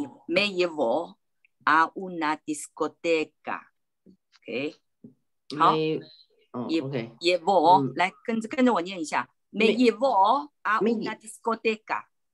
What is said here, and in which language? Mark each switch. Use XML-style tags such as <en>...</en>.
<es>Me llevó a una discoteca.</es> <zh>OK， 好。</zh> <en>Okay.</en> <zh>Llevó，来跟着我念一下。</zh> <es>Me llevó a una discoteca。</es>